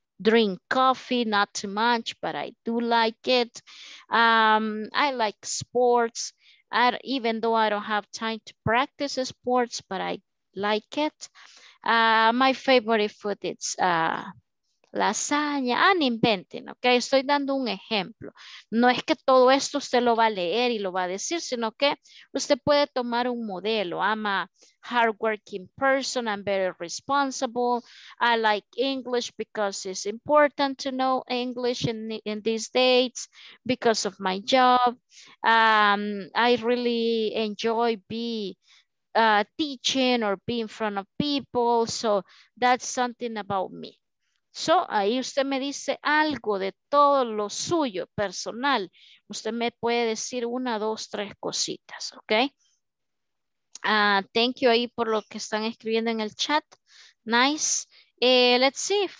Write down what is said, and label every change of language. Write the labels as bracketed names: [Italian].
[English] drink coffee, not too much, but I do like it. I like sports, even though I don't have time to practice sports, but I like it. My favorite food is lasagna, and inventing, okay? [Spanish] Estoy dando un ejemplo. No es que todo esto usted lo va a leer y lo va a decir, sino que usted puede tomar un modelo. [English] I'm a hardworking person, I'm very responsible. I like English because it's important to know English in these days because of my job. I really enjoy teaching or be in front of people. So that's something about me. [Spanish] So, ahí usted me dice algo de todo lo suyo, personal. Usted me puede decir una, dos, tres cositas, ¿ok? [English] Thank you [Spanish] ahí por lo que están escribiendo en el chat. Nice. [English] Let's see.